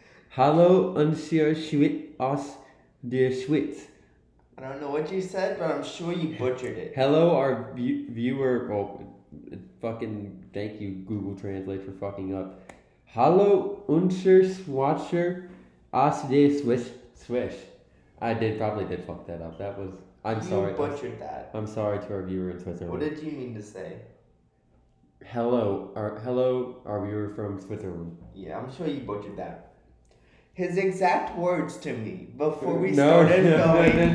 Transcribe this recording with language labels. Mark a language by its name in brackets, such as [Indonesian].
[German] Hallo, unser Schwit aus der Schwitz. [English] I don't know what you said, but I'm sure you butchered it. Hello, our viewer. Well, fucking thank you, Google Translate, for fucking up. [German] Hallo, unser Schwatzer aus der Swiss. [English] Swish. I did probably did fuck that up. That was. I'm you sorry. You butchered that. I'm sorry to our viewer in Switzerland. What did you mean to say? Hello, our viewer from Switzerland. Yeah, I'm sure you butchered that. His exact words to me before we started going.